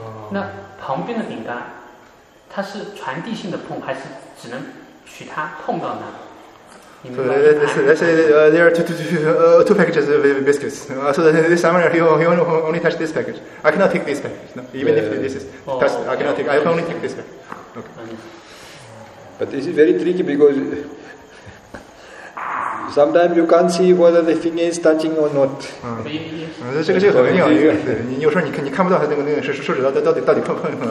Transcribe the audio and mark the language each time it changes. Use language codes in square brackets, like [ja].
[zh] 那旁边的饼干，它是传递性的碰，还是只能取它碰到呢？ [en] So let's say there are two packages of biscuits. So this summoner, he only touched this package. I cannot take this package, no, even if this is touched. I cannot take. I can only take this package. Okay. But this is very tricky because sometimes you can't see whether the finger is touching or not. [zh] 这个很微妙，因为你有时候你看不到他那个手指到底碰到那个。